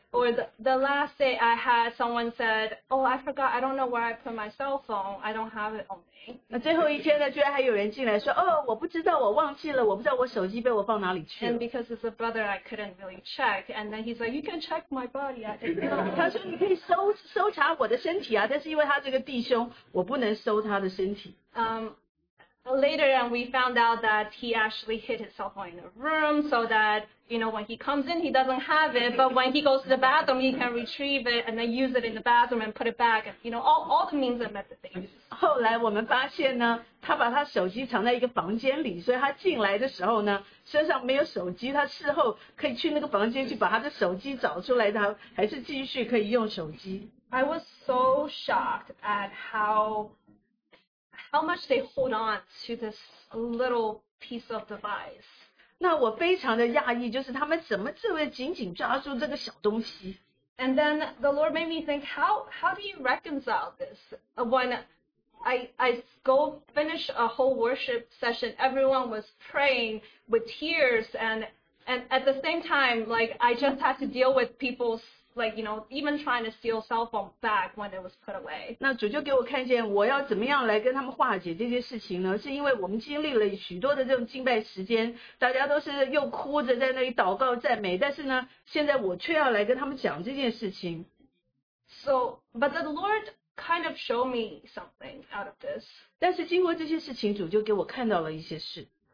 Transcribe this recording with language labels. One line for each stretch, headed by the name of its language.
English: Or the last day I had someone said, oh, I forgot, I don't know where I put my cell phone, I don't have it on me.
Chinese: 那最后一天呢，居然还有人进来说，哦，我不知道，我忘记了，我不知道我手机被我放哪里去了。
English: And because it's a brother, I couldn't really check. And then he's like, you can check my body, I didn't know.
Chinese: 他说，你可以搜查我的身体啊，但是因为他这个弟兄，我不能搜他的。
English: Later on, we found out that he actually hid his cell phone in the room so that, you know, when he comes in, he doesn't have it, but when he goes to the bathroom, he can retrieve it and then use it in the bathroom and put it back, you know, all the means and methods.
Chinese: 后来我们发现呢，他把他手机藏在一个房间里，所以他进来的时候呢，身上没有手机，他事后可以去那个房间去把他的手机找出来，他还是继续可以用手机。
English: I was so shocked at how much they hold on to this little piece of device.
Chinese: 那我非常的讶异，就是他们怎么这么紧紧抓住这个小东西。
English: And then the Lord made me think, how do you reconcile this? When I go finish a whole worship session, everyone was praying with tears, and at the same time, like, I just had to deal with people's, like, you know, even trying to steal cell phone back when it was put away.
Chinese: 那主就给我看见我要怎么样来跟他们化解这件事情呢？是因为我们经历了许多的这种敬拜时间，大家都是又哭着在那里祷告赞美，但是呢，现在我却要来跟他们讲这件事情。
English: So, but the Lord kind of showed me something out of this.
Chinese: 但是经过这些事情，主就给我看到了一些事。